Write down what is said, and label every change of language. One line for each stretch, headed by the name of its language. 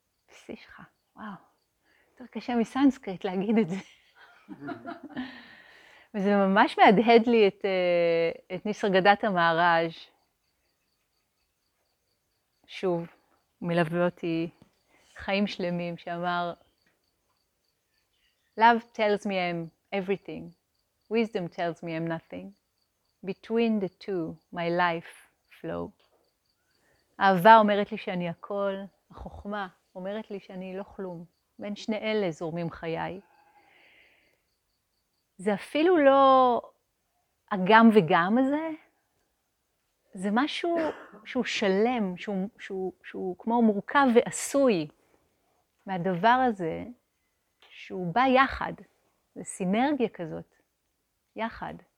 Hebrew: שיחה, וואו, יותר קשה מסנסקריט להגיד את זה. וזה ממש מהדהד לי את, את ניסרגדת המערז' שוב, מלווה אותי חיים שלמים, שאמר
English: Love tells me I'm everything, wisdom tells me I'm nothing, between the two, my life flow.
Hebrew: אהבה אומרת לי שאני הכל, החוכמה אומרת לי שאני לא כלום, בין שני אלה זורמים חיי. זה אפילו לא אגם וגם הזה, זה משהו שהוא שלם, שהוא כמו מורכב ועשוי מהדבר הזה, שהוא בא יחד, זה סינרגיה כזאת, יחד.